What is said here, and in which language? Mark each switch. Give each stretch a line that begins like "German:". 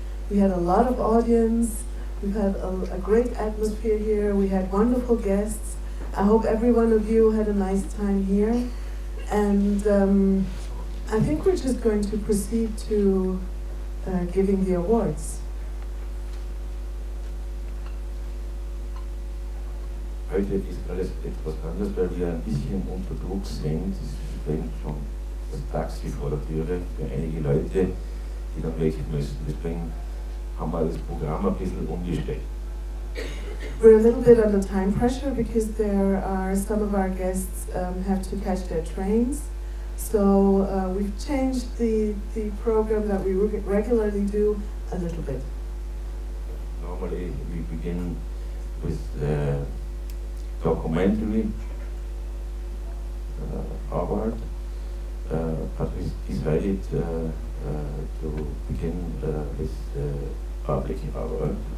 English: We had a lot of audience, we've had a great atmosphere here, we had wonderful guests. I hope every one of you had a nice time here. And I think we're just going to proceed to giving the awards.
German: Heute ist alles etwas anders, weil wir ein bisschen unter Druck sind. Es brennt schon das Taxi vor der Türe für einige Leute, die dann weg müssen. Deswegen haben wir das Programm ein bisschen umgestellt.
English: We're a little bit under time pressure because there are some of our guests have to catch their trains. So we've changed the program that we regularly do a little bit. Normally we begin with documentary award, but we decided to begin with public award.